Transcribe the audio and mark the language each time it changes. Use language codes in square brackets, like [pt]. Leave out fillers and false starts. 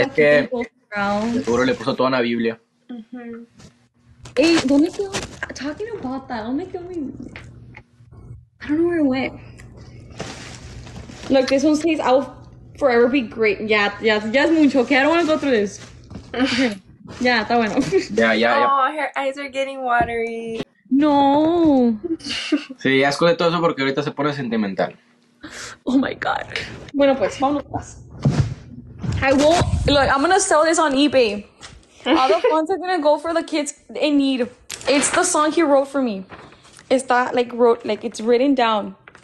[es] Es que seguro le puso toda una Biblia. [en] Hey, don't make it, talking about that, don't make it, I don't know where it went. Look, this one says, I'll forever be great. Yeah, yeah, yeah, [es] es mucho. [en] Okay, I don't want to go through this. [es] Yeah, está bueno. [en] Yeah, yeah, yeah. Oh, her eyes are getting watery. No. [es] Sí, ya escuché todo eso porque ahorita se pone sentimental. [en] Oh, my God. [es] Bueno, pues, vámonos. [en] I won't, look, I'm going to sell this on eBay. All the funds are going to go for the kids in need. It's the song he wrote for me. It's that, like, wrote, like, it's written down.